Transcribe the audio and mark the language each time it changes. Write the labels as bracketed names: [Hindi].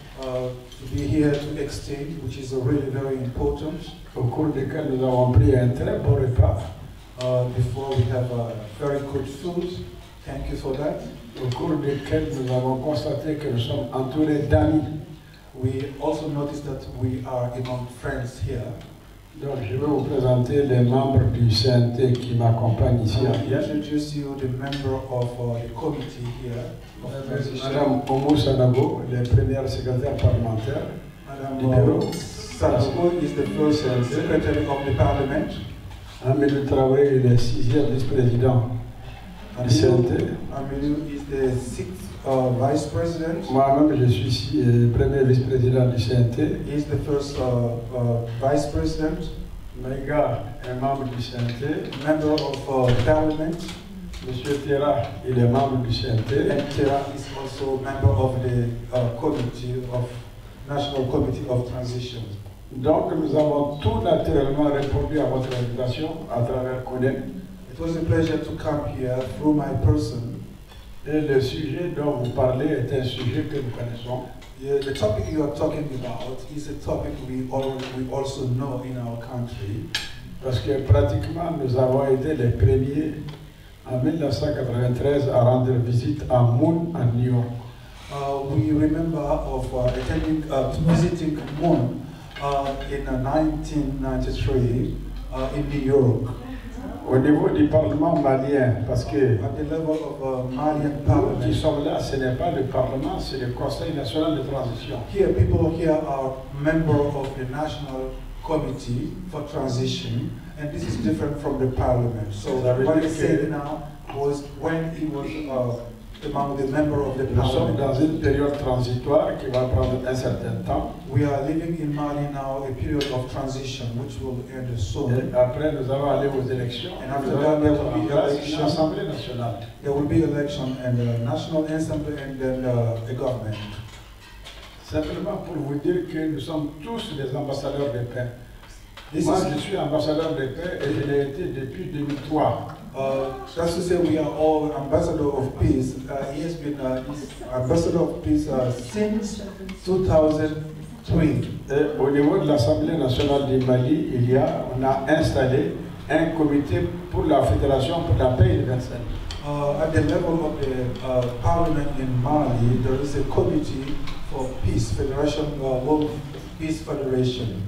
[English] To be here to exchange, which is really very important. [French] Au cours duquel nous avons pris un très bon repas. [English] Before we have a very good food. Thank you for that. [French] Au cours duquel nous avons constaté que nous sommes entourés d'amis. [English] We also noticed that we are among friends here. [French] Donc, je vais vous présenter les membres du CNT qui m'accompagnent ici. [English] I introduce you the member of the committee here. [French] Madame Omou Sanabo, la première secrétaire parlementaire. [English] Madame Omou Sanabo is the first secretary of the parliament. [French] Amélie Traoré est le sixième vice-président du CNT. [English] Amélie is the sixth vice president. [French] Moi-même, je suis premier vice-président du CNT. [English] He is the first vice president. [French] Maïga est membre du CNT. [English] Member of parliament. [French] Monsieur Thierra, il est membre du CNT. [English] And Thierra is also member of the committee of National Committee of Transition. [French] Donc, nous avons tout naturellement répondu à votre invitation à travers Kone. [English] It was a pleasure to come here through my person. [French] Et le sujet dont vous parlez est un sujet que nous connaissons. [English] Yeah, the topic you are talking about is a topic we also know in our country. [French] Parce que pratiquement nous avons été les premiers en 1993 à rendre visite à Moon à New York. [English] We remember of attending visiting Moon in 1993 in New York. [French] Au niveau du Parlement malien, parce que [English] level of Malian Parliament, [French] nous qui sommes là, ce n'est pas le Parlement, c'est le Conseil national de transition. [English] Here, people here are members of the National Committee for Transition, and this is different from the Parliament. So what he said now was when he was among the members of the [French] nous [English] Parliament. [French] Nous sommes dans une période transitoire qui va prendre un certain temps. [English] We are living in Mali now, a period of transition, which will end soon. [French] Et après, nous allons aller aux élections. [English] And after that, there will be elections. [French] Assemblée nationale. [English] There will be election and a national assembly and then a government. [French] Simplement pour vous dire que nous sommes tous des ambassadeurs de paix. This Moi, je suis ambassadeur de paix et je l'ai été depuis 2003. [English] Just to say, we are all ambassador of peace. He has been ambassador of peace since 2003. [French] Au niveau de l'Assemblée nationale du Mali, on a installé un comité pour la fédération pour la paix universelle. [English] At the level of the parliament in Mali, there is a committee for peace, federation, world peace federation.